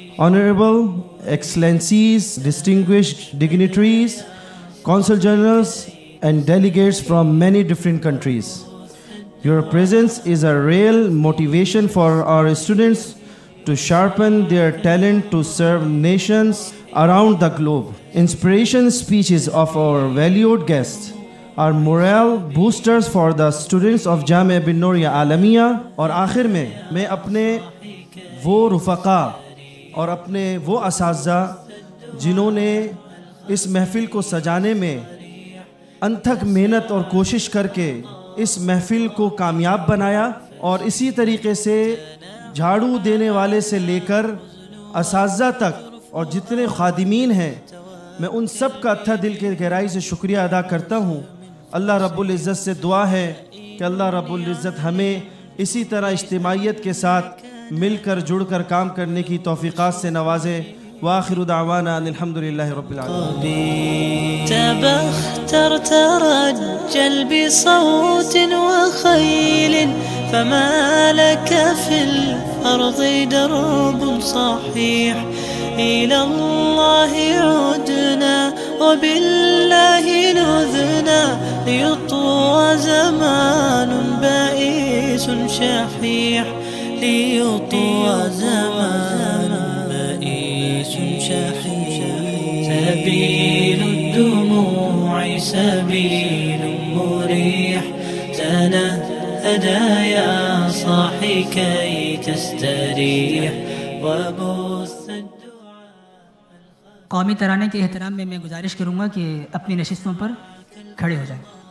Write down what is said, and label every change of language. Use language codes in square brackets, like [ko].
[en] Honorable excellencies, distinguished dignitaries, consul generals and delegates from many different countries, your presence is a real motivation for our students to sharpen their talent to serve nations around the globe. Inspiration speeches of our valued guests are morale boosters for the students of Jamia Binoria Alamia. [ur] اور آخر میں میں اپنے وہ رفقا اور اپنے وہ اساتذہ جنہوں نے اس محفل کو سجانے میں انتھک محنت اور کوشش کر کے اس محفل کو کامیاب بنایا, اور اسی طریقے سے جھاڑو دینے والے سے لے کر اساتذہ تک اور جتنے خادمین ہیں, میں ان سب کا اتھا دل کے گہرائی سے شکریہ ادا کرتا ہوں. اللہ رب العزت سے دعا ہے کہ اللہ رب العزت ہمیں اسی طرح اجتماعیت کے ساتھ مل کر جڑ کر کام کرنے کی توفیقات سے نوازے. [ar] وآخر دعوانا ان الحمدللہ رب العالمين. فما لك في الأرض درب صحيح إلى الله عدنا وبالله نذنا ليطوى زمان بائس شحيح ليطوى زمان بائس شحيح سبيل الدموع سبيل مريح سنة أدى يا صاحي كي تستريح وبوس. [ur] قومی ترانے کے احترام میں میں گزارش کروں گا کہ اپنی نشستوں پر کھڑے ہو جائیں.